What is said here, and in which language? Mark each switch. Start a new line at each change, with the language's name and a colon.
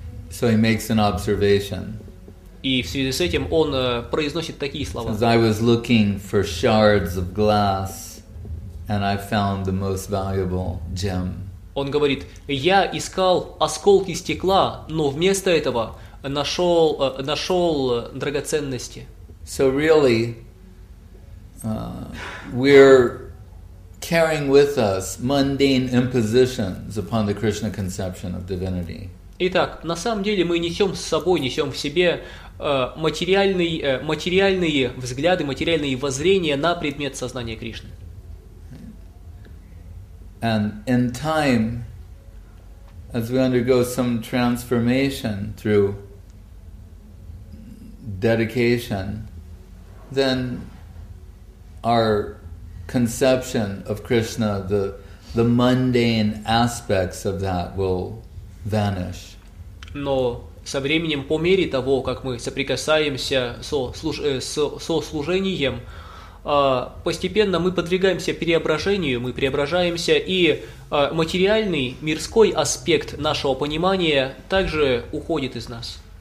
English: So he makes an observation.
Russian: И в связи с этим он произносит такие слова.
English: As I was looking for shards of glass, and I found the most valuable gem.
Russian: Он говорит, я искал осколки стекла, но вместо этого нашел драгоценности.
English: So really, we're carrying with us mundane impositions upon the Krishna conception of divinity.
Russian: Итак, на самом деле мы несем с собой, несем в себе материальные взгляды, материальные воззрения на предмет сознания Кришны.
English: And in time, as we undergo some transformation through dedication, then our conception of Krishna, the mundane aspects of that will vanish.
Russian: Но со временем, по мере того, как мы соприкасаемся со служением, постепенно мы подвигаемся преображению, мы преображаемся, и материальный, мирской аспект нашего понимания также уходит из нас.